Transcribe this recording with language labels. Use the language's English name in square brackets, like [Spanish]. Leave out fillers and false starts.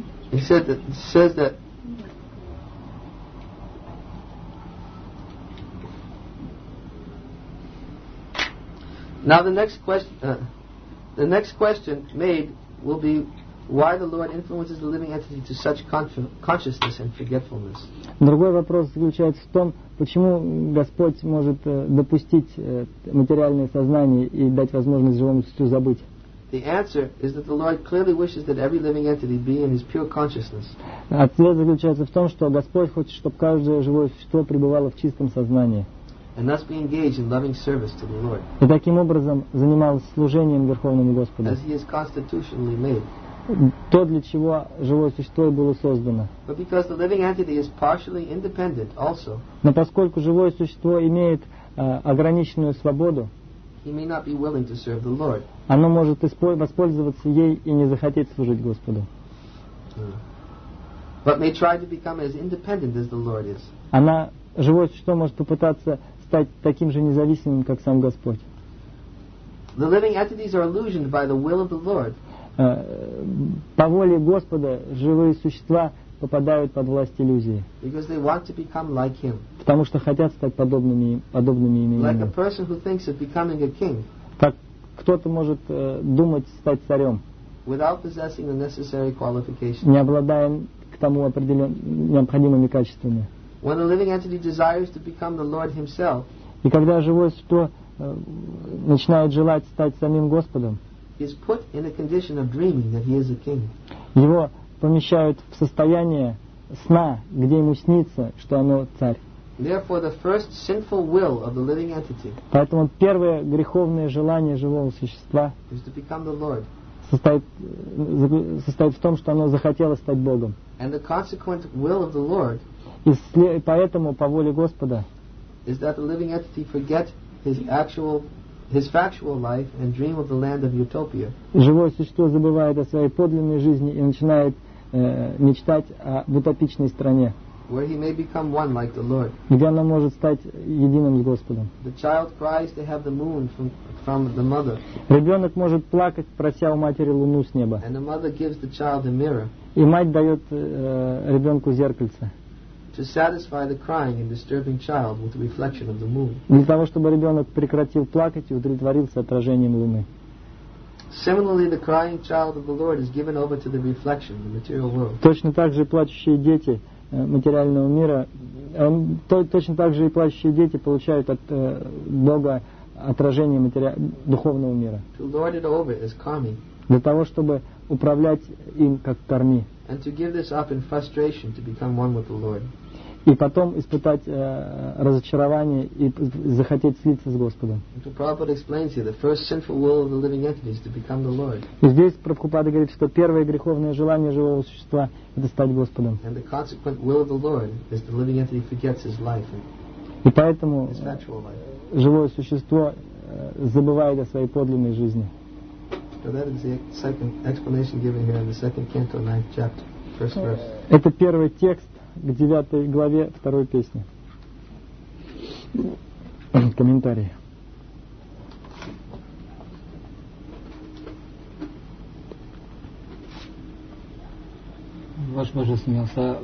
[English] He says that now the next question made will be why the Lord influences the living entity to such consciousness and forgetfulness. [Russian] Другой вопрос заключается в том, почему Господь может допустить материальное сознание и дать возможность живому существу забыть. [English] The answer is that the Lord clearly wishes that every living entity be in his pure consciousness. [Russian] Ответ заключается в том, что Господь хочет, чтобы каждое живое существо пребывало в чистом сознании. [English] And thus be engaged in loving service to the Lord. [Russian] И таким образом занималась служением Верховному Господу. [English] As he is constitutionally made. [Russian] То, для чего живое существо и было создано. [English] But because the living entity is partially independent also. [Russian] Но поскольку живое существо имеет ограниченную свободу, [English] he may not be willing to serve the Lord. [Russian] Оно может воспользоваться ей и не захотеть служить Господу. [English] But may try to become as independent as the Lord is. [Russian] Живое существо может попытаться стать таким же независимым, как сам Господь. [English] The living entities are illusioned by the will of the Lord. [Russian] По воле Господа живые существа попадают под власть иллюзии. [English] Because they want to become like him. [Russian] Потому что хотят стать подобными ими. [English] Like a person who thinks of becoming a king. [Russian] Как кто-то может думать стать царем. [English] Without possessing the necessary qualifications. [Russian] Не обладая к тому необходимыми качествами. [English] When a living entity desires to become the Lord himself, [Russian] и когда живое существо начинает желать стать самим Господом, [English] he is put in a condition of dreaming that he is a king. [Russian] Его помещают в состояние сна, где ему снится, что оно царь. [English] Therefore, the first sinful will of the living entity, [Russian] поэтому первое греховное желание живого существа, [English] is to become the Lord. [Russian] состоит в том, что оно захотело стать Богом. [English] And the consequent will of the Lord [Russian] поэтому по воле Господа [English] is that the living entity forget his factual life and dream of the land of utopia. [Russian] Живое существо забывает о своей подлинной жизни и начинает мечтать об утопичной стране. [English] Where he may become one like the Lord. [Russian] Где оно может стать единым с Господом. [English] The child cries to have the moon from the mother. [Russian] Ребенок может плакать, прося у матери луну с неба. [English] And the mother gives the child a mirror. [Russian] И мать дает ребенку зеркальце. [English] To satisfy the crying and disturbing child with the reflection of the moon. [Russian] Для того, чтобы ребенок прекратил плакать и удовлетворился отражением луны. [English] Similarly, the crying child of the Lord is given over to the reflection of the material world. [Russian] Точно так же плачущие дети материального мира, точно так же и плачущие дети получают от Бога отражение духовного мира. [English] To lord it over as karmi. [Russian] Для того, чтобы управлять им как карми. [English] And to give this up in frustration to become one with the Lord. [Russian] И потом испытать разочарование и захотеть слиться с Господом. [English] And to Prabhupada explains here, the first sinful will of the living entity is to become the Lord. [Russian] И здесь Прабхупада говорит, что первое греховное желание живого существа – это стать Господом. [English] And the consequent will of the Lord is the living entity forgets his life. [Russian] И поэтому живое существо забывает о своей подлинной жизни. [English] So that is the second explanation given here in the second canto, ninth chapter, first verse. [Russian] Это первый текст к девятой главе второй песни. Комментарий. Ваш Боже смеялся.